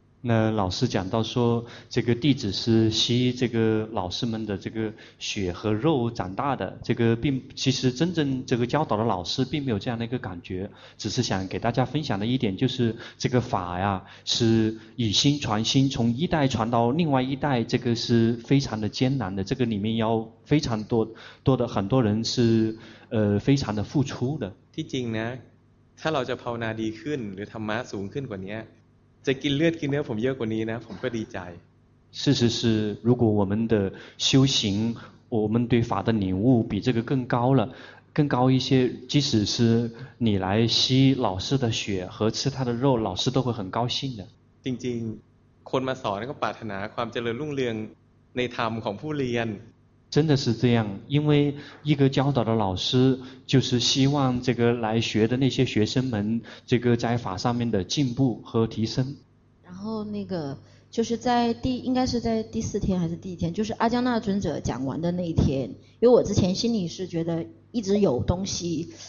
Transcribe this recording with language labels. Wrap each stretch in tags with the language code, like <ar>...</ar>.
<zh>那老师讲到说这个弟子是吸这个老师们的这个血和肉长大的这个并其实真正这个教导的老师并没有这样的一个感觉只是想给大家分享的一点就是这个法呀是以心传心从一代传到另外一代这个是非常的艰难的这个里面要非常多多的很多人是非常的付出的</zh> <th>ที่จริงนะถ้าเราจะภาวนาดีขึ้นหรือธรรมะสูงขึ้นกว่านี้จะกินเลือดกินเนื้อผมเยอะกว่านี้นะผมก็ดีใจ</th> <zh>事实是如果我们的修行我们对法的领悟比这个更高了更高一些即使是你来吸老师的血和吃他的肉老师都会很高兴的</zh> <th>จริงๆคนมาสอนก็ปรารถนาความเจริญรุ่งเรืองในธรรมของผู้เรียน</th> <zh>真的是这样因为一个教导的老师就是希望这个来学的那些学生们这个在法上面的进步和提升然后那个就是在第应该是在第四天还是第一天就是阿姜那尊者讲完的那一天因为我之前心里是觉得一直有东西</zh>